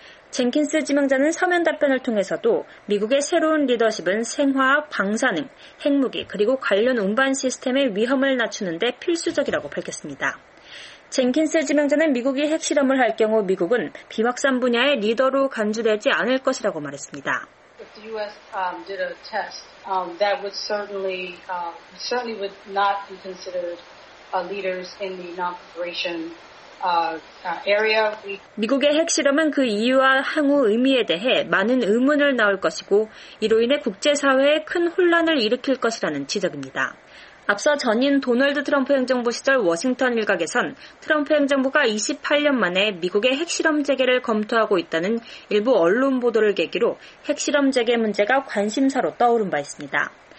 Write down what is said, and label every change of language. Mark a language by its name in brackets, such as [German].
[Korean] Jenkins 지명자는 서면 답변을 통해서도 미국의 새로운 리더십은 생화학, 방사능, 핵무기 그리고 관련 운반 시스템의 위험을 낮추는 데 필수적이라고 밝혔습니다. 젠킨스 지명자는 미국이 핵실험을 할 경우 미국은 비확산 분야의 리더로 간주되지 않을 것이라고 말했습니다. [English] If the U.S. Did a test, that would certainly would not be considered leaders in the non-proliferation. [Korean] 미국의 핵실험은 그 이유와 향후 의미에 대해 많은 의문을 낳을 것이고 이로 인해 국제사회에 큰 혼란을 일으킬 것이라는 지적입니다. 앞서 전임 도널드 트럼프 행정부 시절 워싱턴 일각에선 트럼프 행정부가 28년 만에 미국의 핵실험 재개를 검토하고 있다는 일부 언론 보도를 계기로 핵실험 재개 문제가 관심사로 떠오른 바 있습니다.